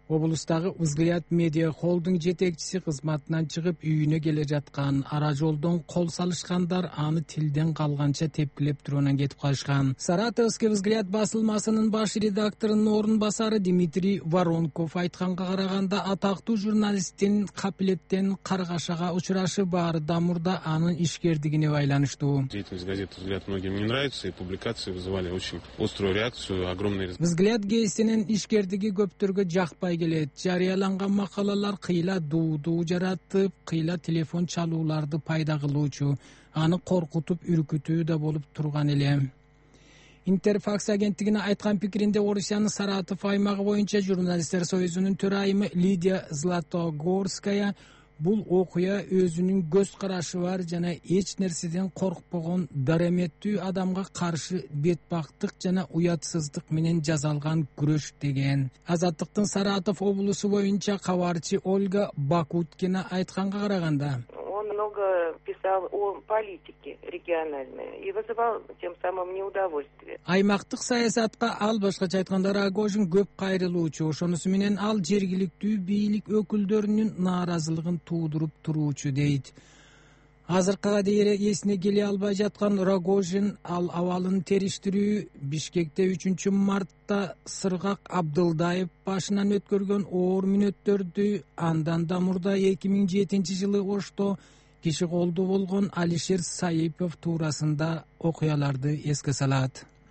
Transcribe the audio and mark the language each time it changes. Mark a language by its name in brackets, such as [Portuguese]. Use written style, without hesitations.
[Kyrgyz] Облустагы «Взгляд Медиа Холдинг» жетекчиси кызматынан чыгып үйүнө келе жаткан, ара жолдон кол салышкандар аны тилден калганча тепкилеп туруунан кетип калышкан. Саратовский «Взгляд» басылмасынын баш редакторунун орун басары Дмитрий Воронков айтканга караганда, атактуу журналисттин капилеттен каргашага учурашы баарда мурда анын ишкердигине байланыштуу. [Russian] Деятельность газеты «Взгляд» многим не нравится, и публикации вызывали очень острую реакцию, огромный. [Kyrgyz] «Взгляд» гейстинин ишкер деги көптөргө жакпай келет. Жарыяланган макалалар кыйла дуу-дуу жаратып, кыйла телефон чалууларды пайда кылуучу, аны коркутуп үркүтүү да болуп турган эле. Интерфакс агенттигине айткан пикиринде Орусиянын Саратов аймагы боюнча журналисттер союзунун төрайымы Лидия Златогорская бул окуя өзүнүн көз карашы бар жана эч нерседен коркпогон дараметтүү адамга каршы бетбактык жана уятсыздык менен жазылган күрөш деген. Азаттыктын Саратов облусу боюнча кабарчы Ольга Бакуткина айтканга караганда, [Russian] много писал о политике региональной и вызывал тем самым неудовольствие. [Kyrgyz] Аймактык саясатка ал башкача айтканда Рогожин көп кайрылуучу, ошонусу менен ал жергиликтүү бийлик өкүлдөрүнүн нааразылыгын туудуруп туруучу дейт. Азыркы дерек эсине келе албай жаткан Рогожин ал абалын териштирүү Бишкекте 3 мартта Сыргак Абдылдаев башынан өткөргөн оор мүнөттөрдү, андан да мурда 2007 жылы Ошто киши колду болгон Алишер Саипов туурасында окуяларды эске салат.